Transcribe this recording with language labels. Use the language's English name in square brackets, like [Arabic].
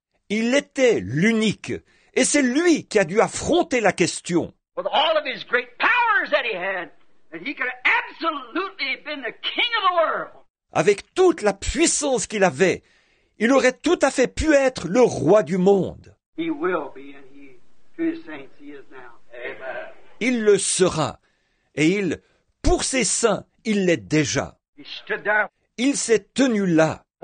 [French] Il était l'unique, et c'est lui qui a dû affronter la question. [English] With all of his great powers that he had, and he could have absolutely been the king of the world. [French] Avec toute la puissance qu'il avait, il aurait tout à fait pu être le roi du monde. [English] He will be, and he, to his saints, he is now. Amen. [French] Il le sera. et il, pour ses saints, il l'est déjà. Il s'est tenu là.